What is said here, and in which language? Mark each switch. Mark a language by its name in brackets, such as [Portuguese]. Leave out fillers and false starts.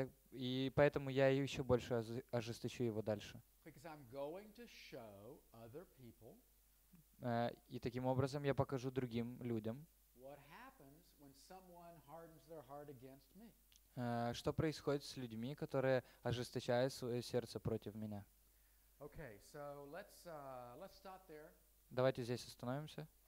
[Russian] И поэтому я еще больше ожесточу его дальше. [English] Because I'm going to show other people, [Russian] и таким образом я покажу другим людям, [English] what happens when someone hardens their heart against me. [Russian] Что происходит с людьми, которые ожесточают свое сердце против меня. [English] Okay, so let's stop there. [Russian] Давайте здесь остановимся.